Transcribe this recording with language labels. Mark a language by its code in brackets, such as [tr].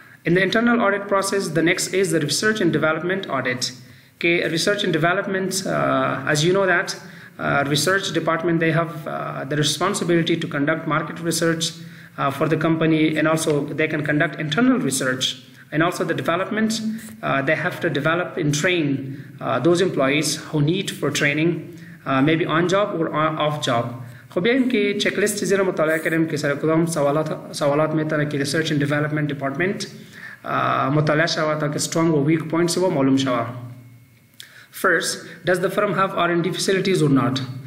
[en] In the internal audit process the next is the research and development audit کہ research and development as you know that research department they have the responsibility to conduct market research for the company and also they can conduct internal research And also the development, they have to develop and train those employees who need for training, maybe on job or off job. [fa] خب بیایم که چک لیست چیزی رو مطالعه کنیم که سر کدام سوالات میتونه که ریسرچ اند دیولپمنت دپارتمنت مطالعه شود تا که استرانگ و ویک پوینتس رو معلوم شود. [en] First, does the firm have R&D facilities or not?